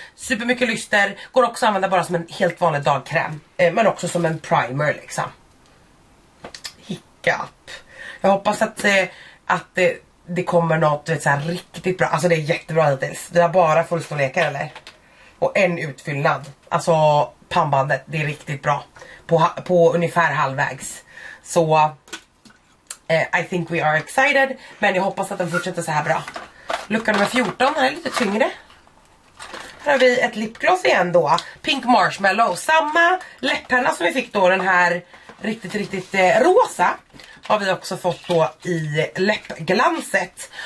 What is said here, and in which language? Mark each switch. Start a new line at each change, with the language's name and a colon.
Swedish: Super mycket lyster, går också att använda bara som en helt vanlig dagkräm, men också som en primer liksom. Hiccup. Jag hoppas att det kommer något, du vet, så här riktigt bra. Alltså det är jättebra hittills. Vi har bara fullstorlekar, eller? Och en utfyllnad. Alltså pannbandet, det är riktigt bra. På ungefär halvvägs.
English: Så I think we are excited.
Swedish: Men jag hoppas att den fortsätter så här bra. Lucka nummer 14, den är lite tyngre. Här har vi ett lipgloss igen då. Pink Marshmallow. Samma läpparna som vi fick då, den här riktigt, riktigt rosa. Har vi också fått då i läppglanset.